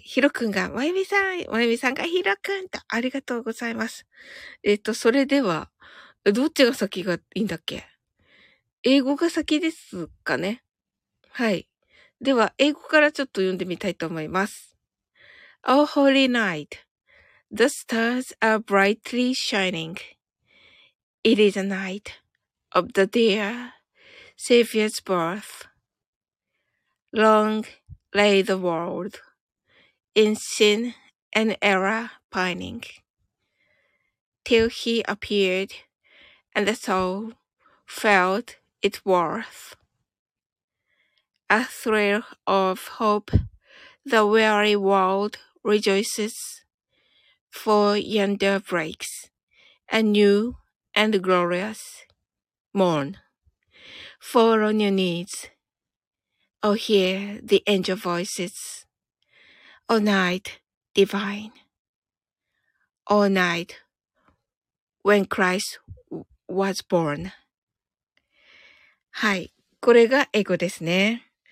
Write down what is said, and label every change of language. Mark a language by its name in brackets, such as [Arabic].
[Japanese] ヒロくんが、まゆみさん、まゆみさんがヒロくんと、ありがとうございます。それでは、どっちが先がいいんだっけ？英語が先ですかね？はい。では、英語からちょっと読んでみたいと思います。 [English] Oh holy night. The stars are brightly shining. It is a night of the dear Savior's birth. Long lay the world. In sin and error pining, till he appeared, and the soul felt its worth. A thrill of hope, the weary world rejoices, for yonder breaks a new and glorious morn. Fall on your knees, oh hear the angel voices. O night divine, O night when Christ was born. [Japanese] はい、これが英語ですね。